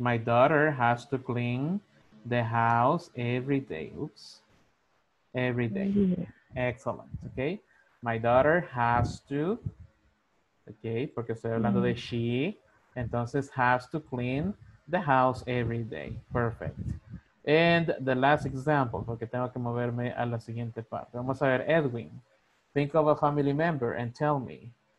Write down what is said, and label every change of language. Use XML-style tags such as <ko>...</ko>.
<en>My daughter has to clean the house every day. Oops. Every day. Yeah. Excellent. Okay. My daughter has to. Okay.</en> <es>Porque estoy hablando de she.</es> <en>Entonces has to clean the house every day. Perfect. And the last example.</en> <es>Porque tengo que moverme a la siguiente parte. Vamos a ver, Edwin.</es> <en>Think of a family member and tell me.</en>